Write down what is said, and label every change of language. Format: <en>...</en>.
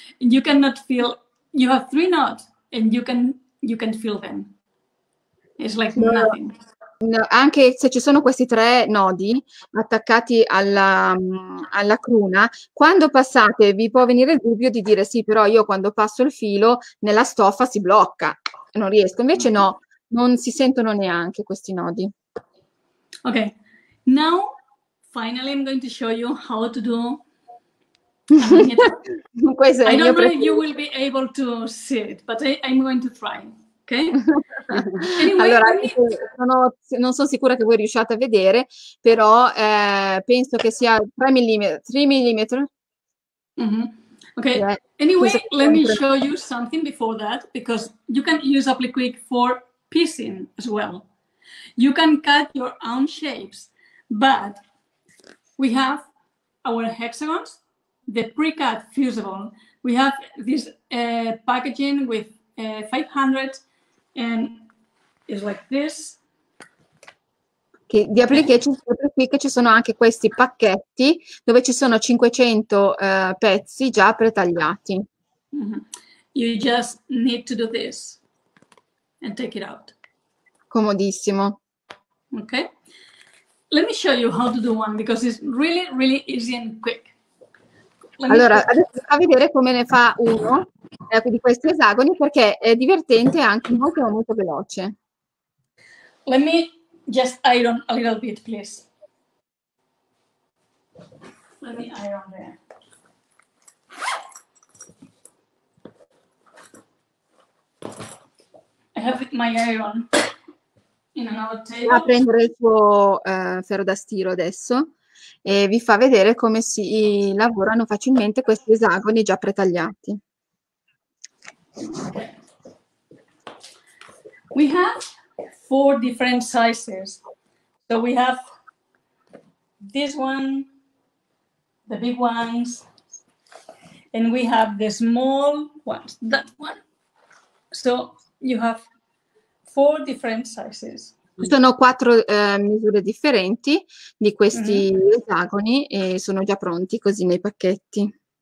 <en>You cannot feel, you have three knots and you can feel them. It's like nothing.</en> <it>No, anche se ci sono questi tre nodi attaccati alla cruna, quando passate vi può venire il dubbio di dire sì, però io quando passo il filo nella stoffa si blocca, non riesco. Invece no, non si sentono neanche questi nodi.</it> <en>Ok, now finally I'm going to show you how to do.</en> <it>Questo</it> <en>I don't know if you will be able to see it, but I'm going to try. Okay?</en> <it>Anyway, allora, non sono sicura che voi riusciate a vedere, però penso che sia 3 mm. 3 mm. Mm-hmm. Okay. Yeah.</it> <en>Anyway, let me show you something before that, because you can use AppliQuick for piecing as well. You can cut your own shapes, but we have our hexagons, the pre-cut fusible. We have this packaging with 500, and it's like this. Okay.</en> <it>Di AppliQuick ci sono anche questi pacchetti dove ci sono 500 pezzi già pretagliati. Mm-hmm.</it> <en>You just need to do this and take it out.</en> <it>Comodissimo.</it> <en>Okay. Let me show you how to do one, because it's really, really easy and quick.</en> <it>Allora, adesso fa vedere come ne fa uno di questi esagoni, perché è divertente anche molto, molto veloce.</it> <en>Let me just iron a little bit, please. Let me iron there. I have my iron in another table.</en> <it>Va a prendere il tuo ferro da stiro adesso. E vi fa vedere come si lavorano facilmente questi esagoni già pretagliati.</it> <en>We have four different sizes. So we have this one, the big ones, and we have the small ones, that one. So you have four different sizes.</en> <it>Ci sono quattro misure differenti di questi esagoni e sono già pronti così nei pacchetti.</it>